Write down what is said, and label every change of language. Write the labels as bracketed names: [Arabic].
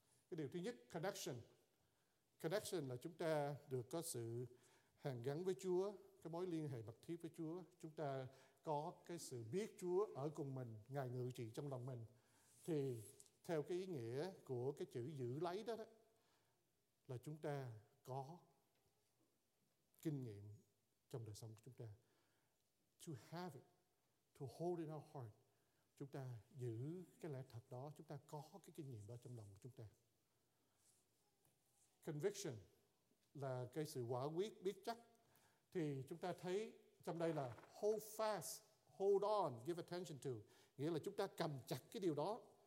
[Vietnamese] Cái điều thứ nhất, connection. Connection là chúng ta được có sự hàn gắn với Chúa, cái mối liên hệ mật thiết với Chúa. Chúng ta có cái sự biết Chúa ở cùng mình, Ngài ngự trị trong lòng mình. Thì theo cái ý nghĩa của cái chữ giữ lấy đó, là chúng ta có kinh nghiệm trong đời sống của chúng ta. [English] To have it, to hold in our heart. [Vietnamese] Chúng ta giữ cái lẽ thật đó, chúng ta có cái kinh nghiệm đó trong lòng của chúng ta. Conviction là cái sự quả quyết, biết chắc. Thì chúng ta thấy trong đây là [English] hold fast, hold on, give attention to. [Vietnamese] Nghĩa là chúng ta cầm chặt cái điều đó.